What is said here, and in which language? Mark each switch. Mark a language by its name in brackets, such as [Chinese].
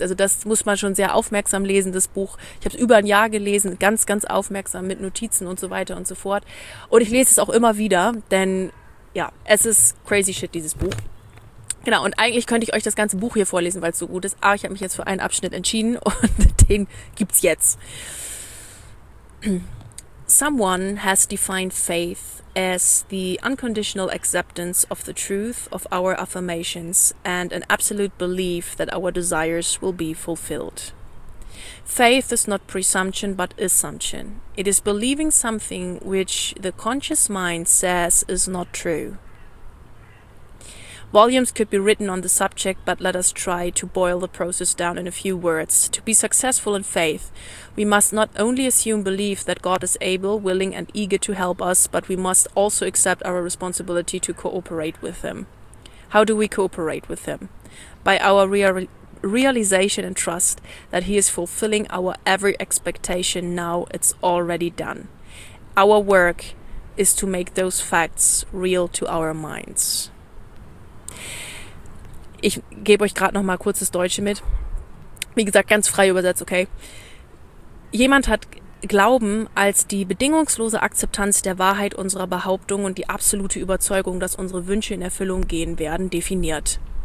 [German] Also das muss man schon sehr aufmerksam lesen, das Buch. Ich habe es über ein Jahr gelesen, ganz, ganz aufmerksam mit Notizen und so weiter und so fort. Und ich lese es auch immer wieder, denn ja, es ist [English] crazy shit, [German] dieses Buch. Genau, und eigentlich könnte ich euch das ganze Buch hier vorlesen, weil es so gut ist. Aber ich habe mich jetzt für einen Abschnitt entschieden und den gibt's jetzt. [English] Someone has defined faith as the unconditional acceptance of the truth of our affirmations and an absolute belief that our desires will be fulfilled. Faith is not presumption but assumption. It is believing something which the conscious mind says is not true. Volumes could be written on the subject, but let us try to boil the process down in a few words. To be successful in faith, we must not only assume belief that God is able, willing, and eager to help us, but we must also accept our responsibility to cooperate with Him. How do we cooperate with Him? By our realization and trust that He is fulfilling our every expectation now it's already done. Our work is to make those facts real to our minds. [German] Ich gebe euch gerade noch mal kurz das Deutsche mit. Wie gesagt, ganz frei übersetzt, okay? Jemand hat Glauben als die bedingungslose Akzeptanz der Wahrheit unserer Behauptung und die absolute Überzeugung, dass unsere Wünsche in Erfüllung gehen werden, definiert.